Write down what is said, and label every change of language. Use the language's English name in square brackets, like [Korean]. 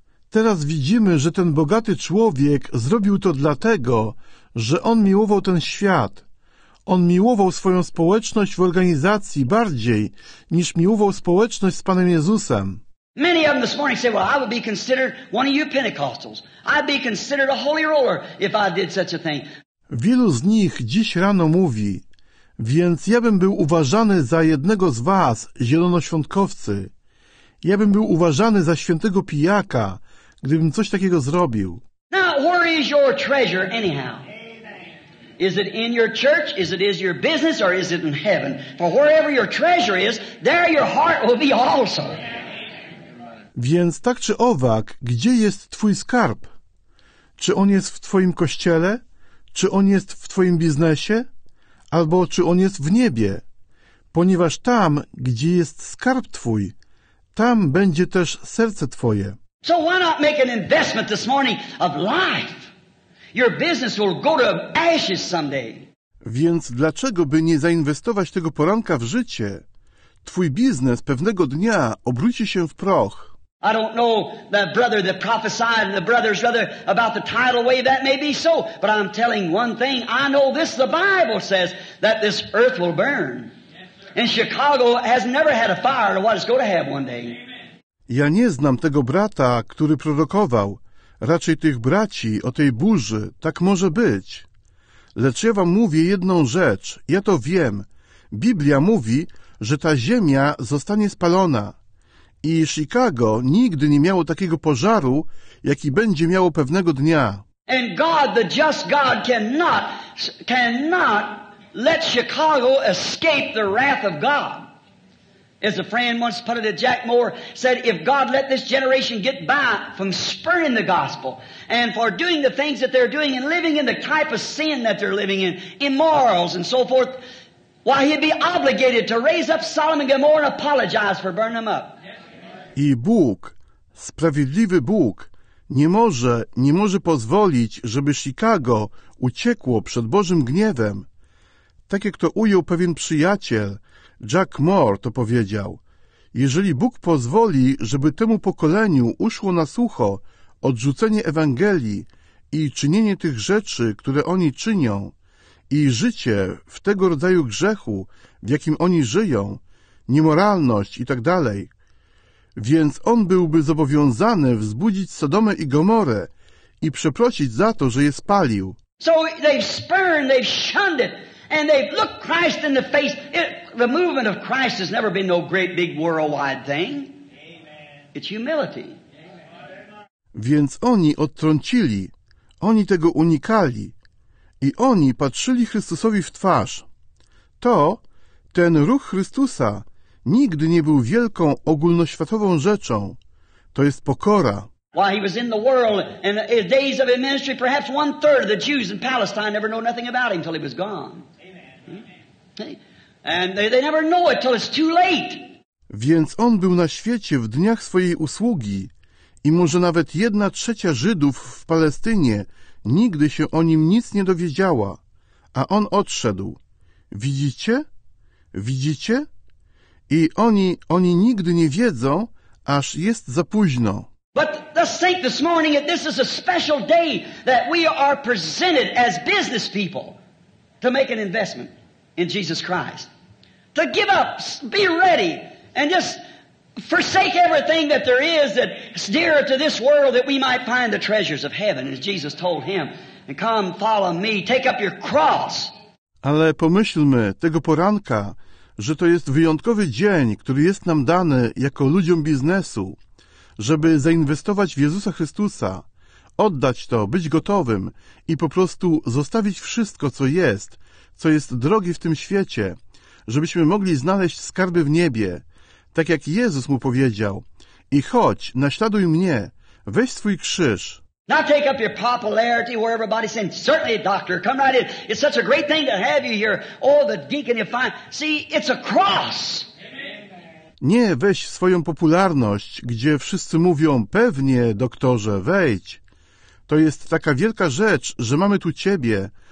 [Polish] Teraz widzimy, że ten bogaty człowiek zrobił to dlatego, że on miłował ten świat. On miłował swoją społeczność w organizacji bardziej niż miłował społeczność z Panem Jezusem. [English] Many of them this morning say, well, I would be considered one of you Pentecostals. I'd be considered a holy roller if I did such a thing. [Polish] Wielu z nich dziś rano mówi, więc ja bym był uważany za jednego z was, zielonoświątkowcy. Ja bym był uważany za świętego pijaka, gdybym coś takiego zrobił. [English] Now, where is your treasure anyhow? Is it in your church? Is it is your business? Or is it in heaven? For wherever your treasure is, there your heart will be also. [Polish] Więc tak czy owak, gdzie jest twój skarb? Czy on jest w twoim kościele? Czy on jest w twoim biznesie? Albo czy on jest w niebie? Ponieważ tam, gdzie jest skarb twój, tam będzie też serce twoje. [English] So why not make an investment this morning of life? Your business will go to ashes someday. [Polish] Więc dlaczego by nie zainwestować tego poranka w życie? Twój biznes pewnego dnia obróci się w proch. [English] I don't know the brother that prophesied, the brother's brother, about the tidal wave. That may be so, but I'm telling one thing. I know this, the Bible says, that this earth will burn. And Chicago has never had a fire to what it's going to have one day. [Polish] Ja nie znam tego brata, który prorokował. Raczej tych braci o tej burzy. Tak może być. Lecz ja wam mówię jedną rzecz. Ja to wiem. Biblia mówi, że ta ziemia zostanie spalona. I Chicago nigdy nie miało takiego pożaru, jaki będzie miało pewnego dnia. [English] And God, the just God, cannot let Chicago escape the wrath of God. As a friend once put it, Jack Moore said, if God let this generation get by from spurning the gospel and for doing the things that they're doing and living in the type of sin that they're living in, immorals and so forth, why, he'd be obligated to raise up Sodom and Gomorrah and apologize for burning them up. [Polish] I Bóg, sprawiedliwy Bóg, nie może pozwolić, żeby Chicago uciekło przed Bożym gniewem. Tak jak to ujął pewien przyjaciel, Jack Moore to powiedział. Jeżeli Bóg pozwoli, żeby temu pokoleniu uszło na sucho odrzucenie Ewangelii i czynienie tych rzeczy, które oni czynią, i życie w tego rodzaju grzechu, w jakim oni żyją, niemoralność i tak dalej, więc on byłby zobowiązany wzbudzić Sodomę i Gomorę i przeprosić za to, że je spalił. [English] So they've spurned, they've shunned it, and they've looked Christ in the face. The movement of Christ has never been no great big worldwide thing. It's humility. [Polish] Więc oni odtrącili, oni tego unikali i oni patrzyli Chrystusowi w twarz. To ten ruch Chrystusa nigdy nie był wielką ogólnoświatową rzeczą. To jest pokora. [English] While he was in the world and the days of his ministry, perhaps one third of the Jews in Palestine never know nothing about him until he was gone. Amen. And they never know it till it's too late. [Polish] Więc on był na świecie w dniach swojej usługi i może nawet 1/3 Żydów w Palestynie nigdy się o nim nic nie dowiedziała, a on odszedł. Widzicie? Widzicie? I oni nigdy nie wiedzą, aż jest za późno. [English] But let's think this morning that this is a special day that we are presented as business people to make an investment in Jesus Christ. To give up, be ready, and just forsake everything that there is that's dearer to this world that we might find the treasures of heaven, as Jesus told him, and come follow me, take up your cross. [Polish] Ale pomyślmy tego poranka, że to jest wyjątkowy dzień, który jest nam dany jako ludziom biznesu, żeby zainwestować w Jezusa Chrystusa, oddać to, być gotowym i po prostu zostawić wszystko, co jest drogie w tym świecie, żebyśmy mogli znaleźć skarby w niebie, tak jak Jezus mu powiedział: i chodź, naśladuj mnie, weź swój krzyż. [English] Now take up your popularity where everybody's saying, certainly, doctor, come right in. It's such a great thing to have you here. Oh, the deacon, you find. See, it's a cross. [Polish] Nie weź swoją popularność, gdzie wszyscy mówią, pewnie, doktorze, wejdź. To jest taka wielka rzecz, że mamy tu ciebie.